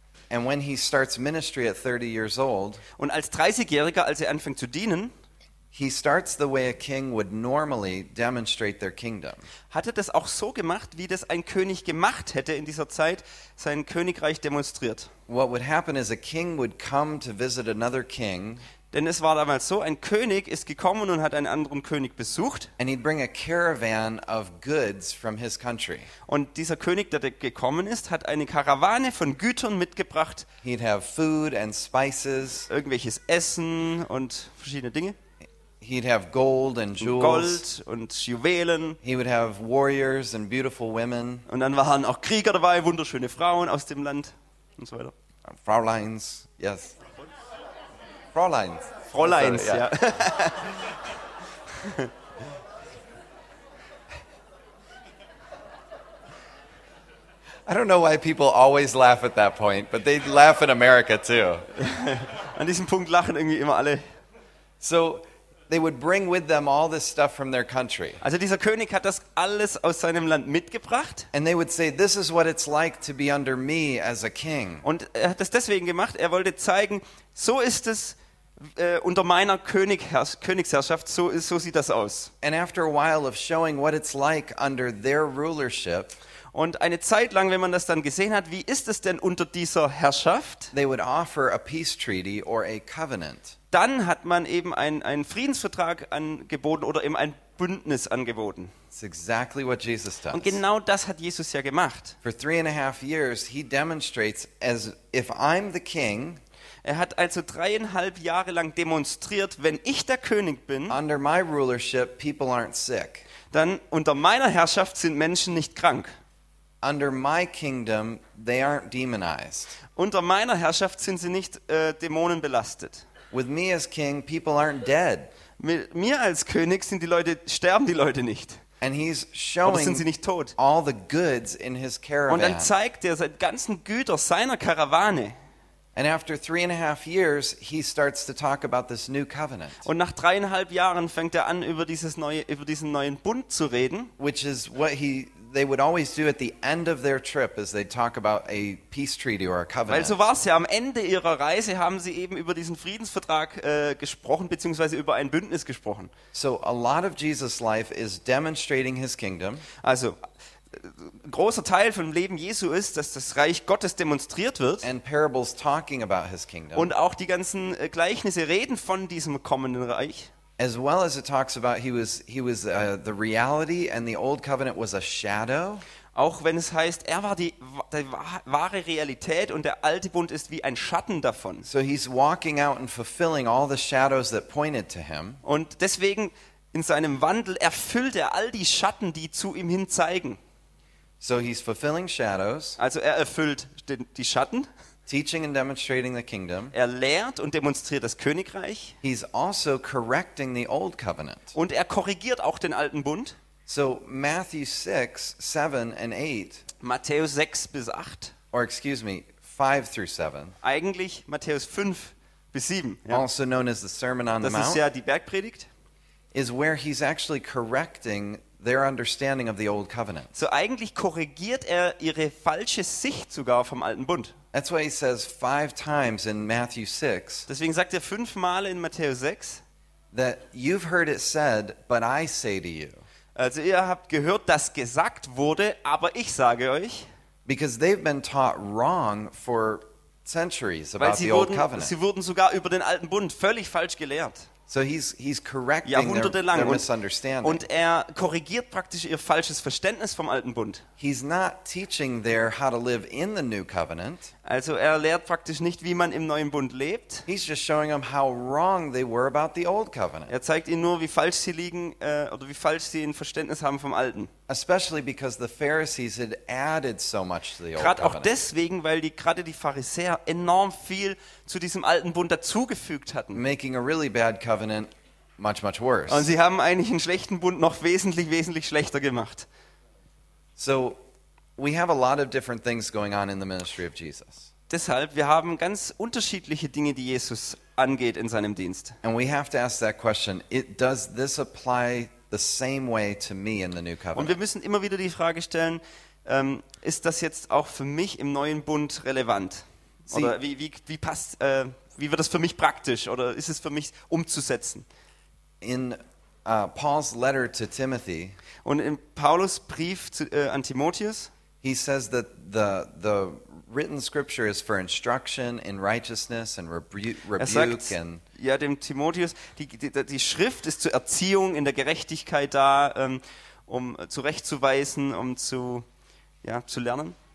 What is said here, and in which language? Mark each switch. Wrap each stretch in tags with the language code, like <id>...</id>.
<en>And when he starts ministry at 30 years old,</en> <de>und als 30-Jähriger, als er anfängt zu dienen,</de> <en>he starts the way a king would normally demonstrate their kingdom.</en> <de>Hat er das auch so gemacht, wie das ein König gemacht hätte in dieser Zeit, sein Königreich demonstriert?</de> <en>What would happen is a king would come to visit another king.</en> <de>Denn es war damals so, ein König ist gekommen und hat einen anderen König besucht.</de> <en>And he'd bring a caravan of goods from his country.</en> <de>Und dieser König, der gekommen ist, hat eine Karawane von Gütern mitgebracht.</de> <en>He'd have food and spices.</en> <de>Irgendwelches Essen und verschiedene Dinge.</de> <en>He'd have gold and jewels.</en> <de>Gold und Juwelen.</de> <en>He would have warriors and beautiful women.</en> <de>Und dann waren auch Krieger dabei, wunderschöne Frauen aus dem Land und so weiter.</de> <en>Fräuleins, yes. Fräuleins.</en> <de>Fräuleins, so,</de> <en>yeah.</en> <de>Ja.</de> <en>I don't know why people always laugh at that point, but they laugh in America too.</en> <de>An diesem Punkt lachen irgendwie immer alle.</de> <en>So they would bring with them all this stuff from their country.</en> <de>Also dieser König hat das alles aus seinem Land mitgebracht.</de> <en>And they would say, "This is what it's like to be under me as a king."</en> <de>Und er hat das deswegen gemacht. Er wollte zeigen, so ist es unter meiner Königsherrschaft. So sieht das aus.</de> <en>And after a while of showing what it's like under their rulership.</en> <de>Und eine Zeit lang, wenn man das dann gesehen hat, wie ist es denn unter dieser Herrschaft?</de> <en>They would offer a peace treaty or a covenant.</en> <de>Dann hat man eben einen Friedensvertrag angeboten oder eben ein Bündnis angeboten.</de> <en>It's exactly what Jesus does.</en> <de>Und genau das hat Jesus ja gemacht.</de> <en>For 3.5 years he demonstrates as if I'm the king.</en> <de>Er hat also 3.5 Jahre lang demonstriert, wenn ich der König bin.</de> <en>Under my rulership, people aren't sick.</en> <de>Dann unter meiner Herrschaft sind Menschen nicht krank.</de> <en>Under my kingdom, they aren't demonized.</en> <de>Unter meiner Herrschaft sind sie nicht Dämonen belastet.</de> <en>With me as king, people aren't dead.</en> <de>Mit mir als König sterben die Leute nicht.</de> <en>And he's showing</en> <de>sind sie nicht tot.</de> <en>All the goods in his caravan.</en> <de>Und dann zeigt er seine ganzen Güter seiner Karawane.</de> <en>And after 3.5 years, he starts to talk about this new covenant.</en> <de>Und nach 3.5 Jahren fängt er an, über diesen neuen Bund zu reden.</de> <en>Which is what they would always do at the end of their trip, as they talk about a peace treaty or a covenant.</en> <de>Weil so war es ja, am Ende ihrer Reise haben sie eben über diesen Friedensvertrag gesprochen, beziehungsweise über ein Bündnis gesprochen.</de> <en>So a lot of Jesus' life is demonstrating his kingdom.</en> <de>Also ein großer Teil vom Leben Jesu ist, dass das Reich Gottes demonstriert wird.</de> <en>And parables talking about his kingdom.</en> <de>Und auch die ganzen Gleichnisse reden von diesem kommenden Reich.</de> <en>As well as it talks about he was the reality and the old covenant was a shadow.</en> <de>Auch wenn es heißt, er war die wahre Realität und der alte Bund ist wie ein Schatten davon.</de> <en>So he's walking out and fulfilling all the shadows that pointed to him.</en> <de>Und deswegen in seinem Wandel erfüllt er all die Schatten, die zu ihm hin zeigen.</de> <en>So he's fulfilling shadows.</en> <de>Also er erfüllt die Schatten.</de> <en>Teaching and demonstrating the kingdom.</en> <de>Er lehrt und demonstriert das Königreich.</de> <en>He's also correcting the old covenant.</en> <de>Und er korrigiert auch den alten Bund.</de> <en>So Matthew 6, 7 and 8.</en> <de>Matthäus 6 bis 8.</de> <en>Or excuse me, 5 through 7.</en> <de>Eigentlich Matthäus 5 bis 7. Ja.</de> <en>Also known as the Sermon on</en> <de>das</de> <en>the Mount.</en> <de>Das ist ja die Bergpredigt.</de> <en>Is where he's actually correcting their understanding of the old covenant.</en> <de>So eigentlich korrigiert er ihre falsche Sicht sogar vom alten Bund.</de> <en>That's why he says 5 times in Matthew 6.</en> <de>Deswegen sagt er 5 Mal in Matthäus 6.</de> <en>That you've heard it said, but I say to you.</en> <de>Also ihr habt gehört, dass gesagt wurde, aber ich sage euch.</de> <en>Because they've been taught wrong for centuries about the old covenant.</en> <de>Sie wurden sogar über den alten Bund völlig falsch gelehrt.</de> <en>So he's correcting their misunderstanding.</en> <de>Und er korrigiert praktisch ihr falsches Verständnis vom alten Bund.</de> <en>He's not teaching there how to live in the new covenant.</en> <de>Also er lehrt praktisch nicht, wie man im neuen Bund lebt.</de> <en>He's just showing them how wrong they were about the old covenant.</en> <de>Er zeigt ihnen nur, wie falsch sie liegen oder wie falsch sie ein Verständnis haben vom alten.</de> <en>Especially because the Pharisees had added so much to the old covenant.</en> <de>Gerade auch deswegen, weil gerade die Pharisäer enorm viel zu diesem alten Bund dazugefügt hatten.</de> <en>Making a really bad covenant much much worse.</en> <de>Und sie haben eigentlich einen schlechten Bund noch wesentlich schlechter gemacht.</de> <en>So we have a lot of different things going on in the ministry of Jesus.</en> <de>Deshalb wir haben ganz unterschiedliche Dinge, die Jesus angeht in seinem Dienst.</de> <en>And we have to ask that question, does this apply the same way to me in the new covenant?</en> <de>Und wir müssen immer wieder die Frage stellen, ist das jetzt auch für mich im neuen Bund relevant? Oder wie passt wie wird das für mich praktisch oder ist es für mich umzusetzen?</de> <en>In Paul's letter to Timothy,</en> <de>und in Paulus Brief zu, an Timotheus,</de> <en>he says that the written scripture is for instruction in righteousness and rebuke and</en> <de>ja, dem Timotheus, die Schrift ist zur Erziehung in der Gerechtigkeit da, um zurechtzuweisen, um zu lernen.</de>